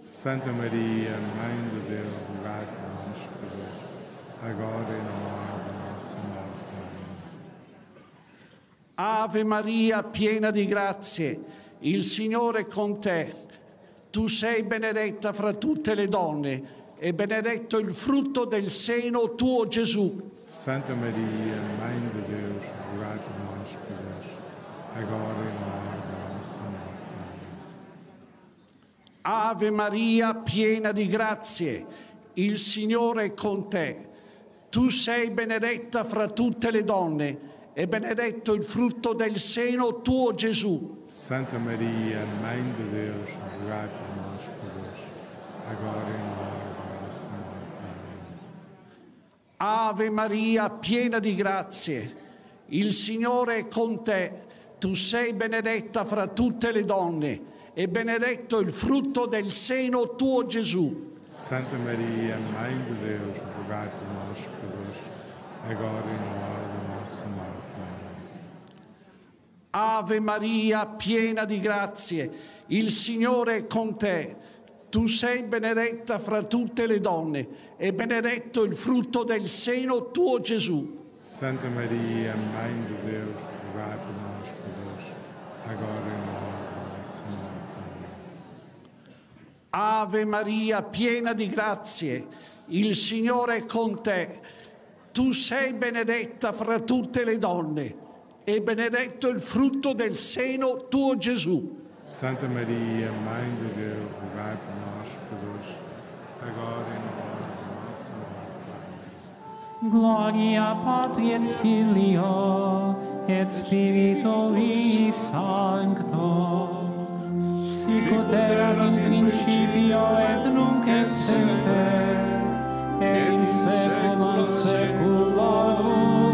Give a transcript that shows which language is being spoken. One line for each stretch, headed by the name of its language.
Italian: Santa Maria, Mãe di Dio, rogai per noi peccatori, agora e all'ora della nostra morte. Ave Maria, piena di grazie, il Signore è con te. Tu sei benedetta fra tutte le donne e benedetto il frutto del seno tuo, Gesù.
Portuguese: Santa Maria, Mãe de Deus, rogai por nós, pecadores, agora e na hora da nossa morte.
Italian: Ave Maria, piena di grazie, il Signore è con te. Tu sei benedetta fra tutte le donne e benedetto il frutto del seno tuo, Gesù.
Portuguese: Santa Maria, Mãe de Deus, rogai por nós, pecadores, agora e na hora da nossa morte. Amém.
Italian: Ave Maria, piena di grazie, il Signore è con te. Tu sei benedetta fra tutte le donne e benedetto il frutto del seno tuo, Gesù.
Portuguese: Santa Maria, Mãe de Deus, rogai por nós, pecadores, agora e na hora da nossa morte. Amém.
Italian: Ave Maria, piena di grazie, il Signore è con te. Tu sei benedetta fra tutte le donne e benedetto il frutto del seno tuo, Gesù.
Portuguese: Santa Maria, Mãe de Deus, rogai por nós, pecadores, agora e na hora da nossa morte. Amém.
Italian: Ave Maria, piena di grazie, il Signore è con te. Tu sei benedetta fra tutte le donne e benedetto il frutto del seno tuo, Gesù.
Portuguese: Santa Maria, Mãe de Deus, rogai por nós, pecadores, agora e na hora da nossa morte.
Latin: Glória, Patri et Filio, et Spiritui Sancto, sicut erat in principio, et nunc et semper, et in saecula saeculorum.